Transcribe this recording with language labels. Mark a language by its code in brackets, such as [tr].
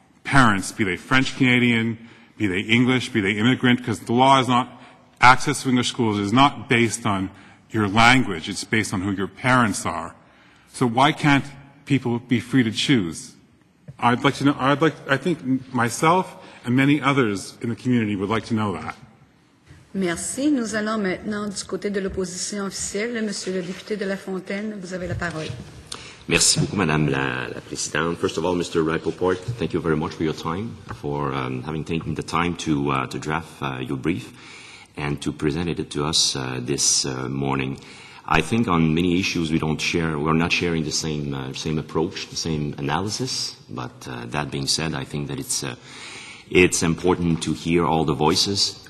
[en] parents, be they French-Canadian, be they English, be they immigrant, because the law is not, access to English schools is not based on your language, it's based on who your parents are. So why can't people be free to choose? I'd like to know, I think myself and many others in the community would like to know that. [fr] Merci. Nous allons maintenant du côté de l'opposition officielle. Monsieur le député de La Fontaine, vous avez la parole. Merci beaucoup, Madame la Présidente. [en] First of all, Mr. Rapoport, thank you very much for your time, for having taken the time to draft your brief and to present it to us this morning. I think on many issues we're not sharing the same approach, the same analysis, but that being said, I think that it's important to hear all the voices.